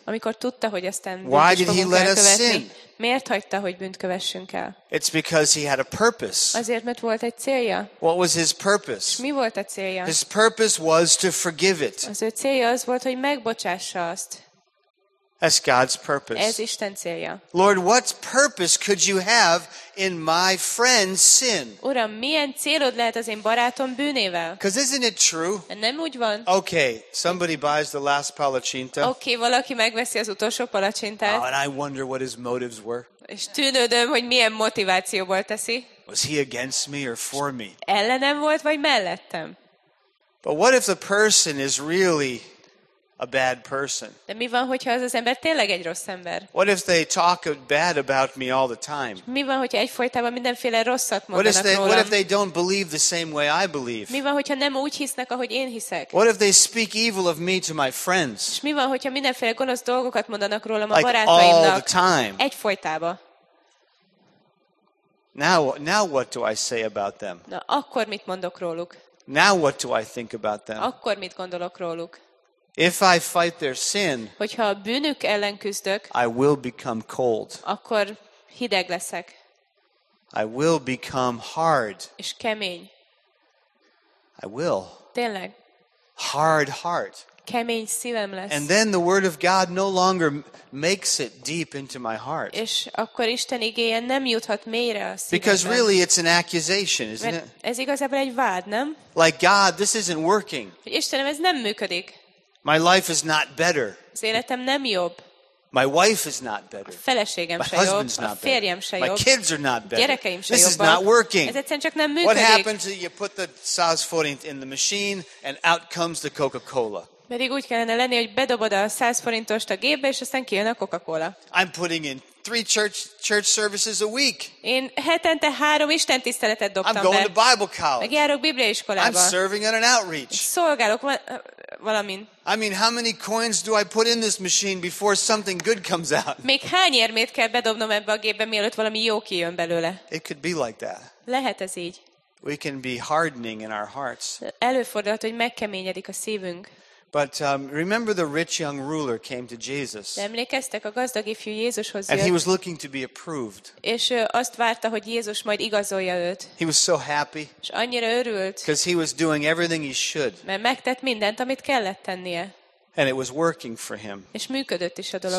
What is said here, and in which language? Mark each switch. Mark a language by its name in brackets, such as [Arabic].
[Hungarian] Amikor tudta, hogy aztán bűnt [English] why did he let us sin? [Hungarian] Miért hagyta, hogy bűnt kövessünk el? [English] It's because he had a purpose. [Hungarian] Azért, mert volt egy célja. [English] What was his purpose? [Hungarian] Mi volt a célja? [English] His purpose was to forgive it. [Hungarian] Az ő célja az volt, hogy megbocsássa azt. [English] That's God's purpose. [Hungarian] Ez Isten célja. [English] Lord, what purpose could you have in my friend's sin? [Hungarian] Uram, milyen célod lehet az én barátom bűnével? [English] Because isn't it true? [Hungarian] Nem úgy van. [English] Okay, somebody buys the last palacsinta. [Hungarian] Okay, valaki megveszi az utolsó palacsintát. [English] Oh, and I wonder what his motives were. [Hungarian] És tűnődöm, hogy milyen motivációból teszi. [English] Was he against me or for me? [Hungarian] Ellenem volt vagy mellettem? [English] But what if the person is really a bad person? [Hungarian] De mi van, hogyha az ember tényleg egy rossz ember? [English] What if they talk bad about me all the time? [Hungarian] Mi van, hogyha egyfolytában mindenféle rosszat mondanak rólam? [English] What if they don't believe the same way I believe? [Hungarian] Mi van, hogyha nem úgy hisznek, ahogy én hiszek? [English] What if they speak evil of me to my friends? [Hungarian] És mi van, hogyha mindenféle gonosz dolgokat mondanak rólam a barátaimnak? [English] All the time. [Hungarian] Egyfolytában. [English] Now what do I say about them? [Hungarian] Na, akkor mit mondok róluk? [English] Now what do I think about them? [Hungarian] Akkor mit gondolok róluk? [English] If I fight their sin, [Hungarian] hogyha a bűnük ellen küzdök, [English] I will become cold. [Hungarian] Akkor hideg leszek. [English] I will become hard. [Hungarian] És kemény. [English] I will. [Hungarian] Tényleg. [English] Hard heart. [Hungarian] Kemény szívem lesz. [English] And then the word of God no longer makes it deep into my heart. [Hungarian] És akkor Isten igéje nem juthat mélyre a szívembe. [English] Because really it's an accusation, isn't it? [Hungarian] Ez igazából egy vád, nem? [English] Like, God, this isn't working. [Hungarian] Istenem, ez nem működik. [English] My life is not better. [Hungarian] Az életem nem jobb. [English] My wife is not better. [Hungarian] A feleségem se jobb. A férjem se jobb. [English] My kids are not better. [Hungarian] Gyerekeim se jobb. [English] This is not working. [Hungarian] Ez egyszerűen csak nem működik. [English] What happens if you put the Saaz 40 in the machine and out comes the Coca-Cola? [Hungarian] Pedig úgy kellene lenni, hogy bedobod a 100 forintost a gépbe, és aztán kijön a Coca-Cola. [English] I'm putting in 3 church services a week. [Hungarian] Én hetente 3 istentiszteletet dobtam be. [English] I'm going to Bible college. [Hungarian] Megjárok bibliaiskolába. [English] I'm serving at an outreach. [Hungarian] Szolgálok valamin. [English] I mean, how many coins do I put in this machine before something good comes out? [Hungarian] Még hány érmét kell bedobnom ebbe a gépbe, mielőtt valami jó kijön belőle? [English] It could be like that. [Hungarian] Lehet ez így. [English] We can be hardening in our hearts. [Hungarian] Előfordulhat, hogy megkeményedik a szívünk. [English] But remember the rich young ruler came to Jesus. [Hungarian] Emlékeztek a gazdag ifjú Jézushoz jött. [English] And he was looking to be approved. [Hungarian] És azt várta, hogy Jézus majd igazolja őt. [English] He was so happy. [Hungarian] És annyira örült. [English] Because he was doing everything he should. [Hungarian] Mert megtett mindent, amit kellett tennie. [English] And it was working for him. [Hungarian] És működött is a dolog